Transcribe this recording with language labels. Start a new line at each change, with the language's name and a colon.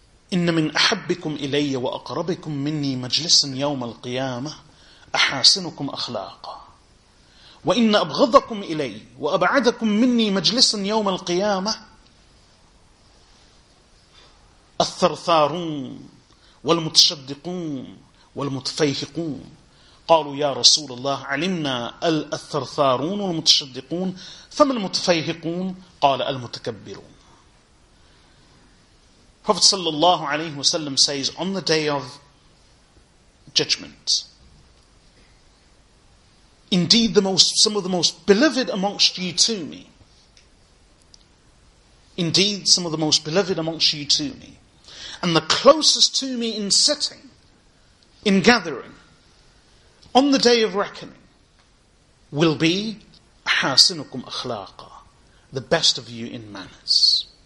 Arabic: إِنَّ مِنْ أَحَبِّكُمْ إِلَيَّ وَأَقْرَبِكُمْ مِنِّي مَجْلِسًا يَوْمَ الْقِيَامَةِ أَحَاسِنُكُمْ أَخْلَاقًا وَإِنَّ أَبْغَضَكُمْ إِلَيَّ وَأَبْعَدَكُمْ مِنِّي مَجْلِسًا يَوْمَ الْقِيَامَةِ الثرثارون والمتشدقون والمتفيهقون. قالوا يا رسول الله علمنا الثرثارون والمتشدقون فما المتفيهقون؟ قال المتكبرون.
English: Prophet sallallahu alaihi wasallam says, on the day of judgment, indeed some of the most beloved amongst you to me, indeed some of the most beloved amongst you to me, and the closest to me in sitting, in gathering, on the day of reckoning, will be
Arabic: حَاسِنُكُمْ أَخْلَاقًا,
English: the best of you in manners.